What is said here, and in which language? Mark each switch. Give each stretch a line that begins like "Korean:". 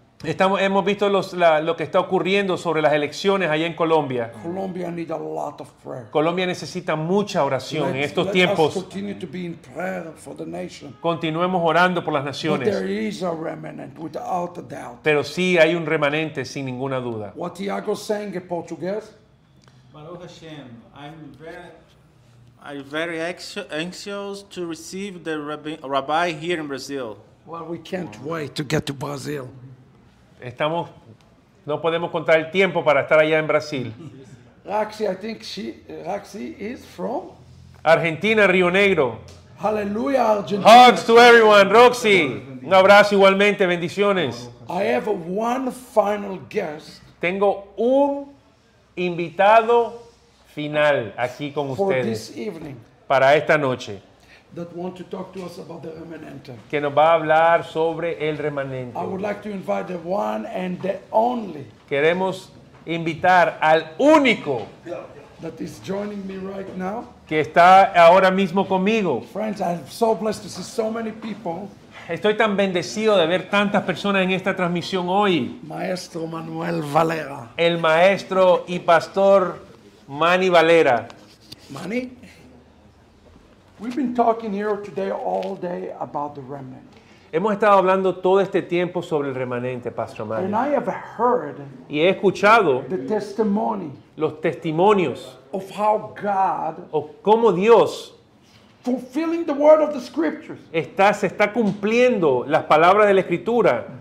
Spanish: Hemos visto lo que está ocurriendo sobre las elecciones allá en Colombia.
English: Colombia, need a lot of prayer.
Spanish: Colombia necesita mucha oración en estos tiempos.
English: Continue to be in prayer for the nation.
Spanish: Continuemos orando por las naciones.
English: But there is a remnant, without a doubt.
Spanish: Pero sí hay un remanente, sin ninguna duda.
English: What Tiago saying in Portuguese? Baruch Hashem, I'm very anxious to receive the rabbi here in Brazil. Well, we can't wait to get to Brazil.
Spanish: Estamos, no podemos contar el tiempo para estar allá en Brasil.
English: Roxy, I think she, Roxy is from Argentina, Río Negro. Hallelujah, Argentina. Hugs to everyone, Roxy.
Spanish: Un abrazo igualmente, bendiciones.
English: I have one final guest.
Spanish: Tengo un invitado final aquí con ustedes para esta noche.
English: That want to talk to us about the remnant.
Spanish: Que nos va a hablar sobre el remanente.
English: I would like to invite the one and the only.
Spanish: Queremos invitar al único.
English: That is joining me right now.
Spanish: Que está ahora mismo conmigo.
English: Friends, I'm so blessed to see so many people.
Spanish: Estoy tan bendecido de ver tantas personas en esta transmisión hoy. Maestro Manuel Valera. El maestro y pastor Manny Valera. Manny.
English: We've been talking here today all day about the remnant.
Spanish: Hemos estado hablando todo este tiempo sobre el remanente, Pastor Mario.
English: And I have heard
Spanish: y he escuchado
English: the testimony
Spanish: los testimonios
English: of how God
Spanish: o cómo Dios
English: fulfilling the word of the scriptures.
Spanish: Se está cumpliendo las palabras de la Escritura.